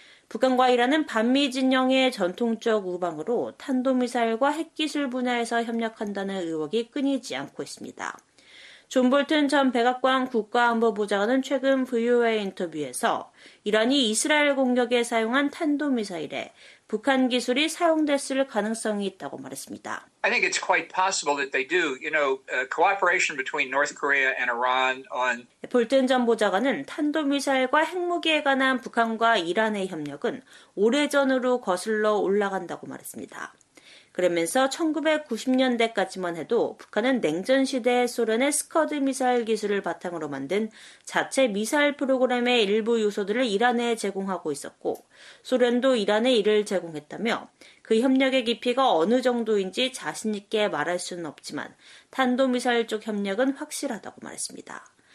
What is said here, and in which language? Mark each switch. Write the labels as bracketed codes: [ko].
[ko] 북한과 이란은 반미 진영의 전통적 우방으로 탄도미사일과 핵기술 분야에서 협력한다는 의혹이 끊이지 않고 있습니다. 존 볼튼 전 백악관 국가안보보좌관은 최근 VOA 인터뷰에서 이란이 이스라엘 공격에 사용한 탄도미사일에 북한 기술이 사용됐을 가능성이 있다고 말했습니다. [en] I think it's quite possible that they do. You know, cooperation between North Korea and Iran on [ko] 볼튼 전 보좌관은 탄도미사일과 핵무기에 관한 북한과 이란의 협력은 오래전으로 거슬러 올라간다고 말했습니다. 그러면서 1990년대까지만 해도 북한은 냉전 시대의 소련의 스커드 미사일 기술을 바탕으로 만든 자체 미사일 프로그램의 일부 요소들을 이란에 제공하고 있었고 소련도 이란에 이를 제공했다며 그 협력의 깊이가 어느 정도인지 자신 있게 말할 수는 없지만 탄도미사일 쪽 협력은 확실하다고 말했습니다.